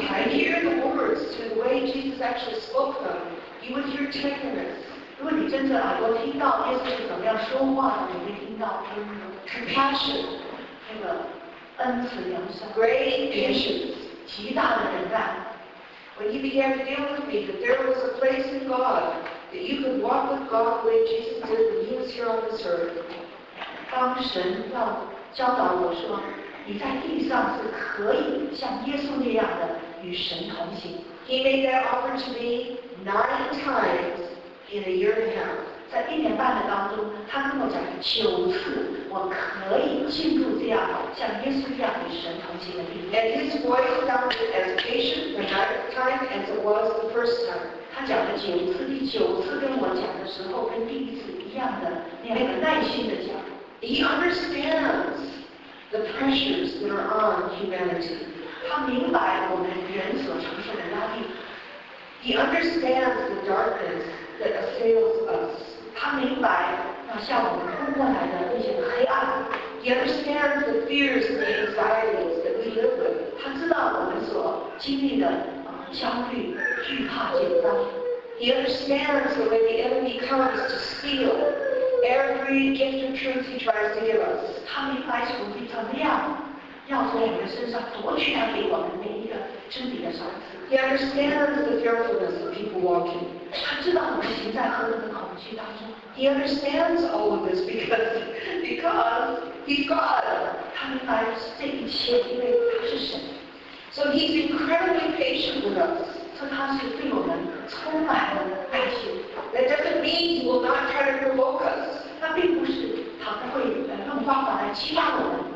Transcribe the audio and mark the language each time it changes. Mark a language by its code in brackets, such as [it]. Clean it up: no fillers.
[en] You would hear the words to the way Jesus actually spoke them. You would hear tenderness. [zh] 如果你真正耳朵听到耶稣是怎么样说话的，你会听到他那种 [en] compassion， [zh] 那个恩慈良善 [en] ，great patience， [zh] 极大的忍耐。 [en] When you began to deal with me, that there was a place in God that you could walk with God the way Jesus did when He was here on this earth. [zh] 当神要教导我说。你在地上是可以像耶稣那样的与神同行。 [en] He made that offer to me 9 times in a year and a half. [zh] 在一年半的当中，他跟我讲9次，我可以进入这样像耶稣一样与神同行的地方。 [en] And his voice sounded as patient the 9th time as it was the first time. [zh] 他讲了9次，第9次跟我讲的时候，跟第一次一样的那样的耐心的讲。 [en] He understands. The pressures that are on humanity. [zh] 他明白我们人所承受的压力。 [en] He understands the darkness that assails us. [zh] 他明白那向我们扑过来的那些黑暗。 [en] He understands the fears and anxieties that we live with. [zh] 他知道我们所经历的焦虑、惧怕、紧张。 [en] He understands the way the enemy comes to steal. Every gift of truth he tries to give us. [zh] 他明白仇敌怎么样，要从我们身上夺取他给我们每一个真理的赏赐。 [en] He understands the fearfulness of people walking. [zh] 他知道我们行在何等的恐惧当中。 [en] He understands all of this because he's God. [zh] 他明白这一切，因为他是神。 [en] So he's incredibly patient with us. [zh] 他是对我们充满了耐心。 [en] That doesn't mean he will not try to provoke us. [zh] 那并不是他不会用方法来激发我们。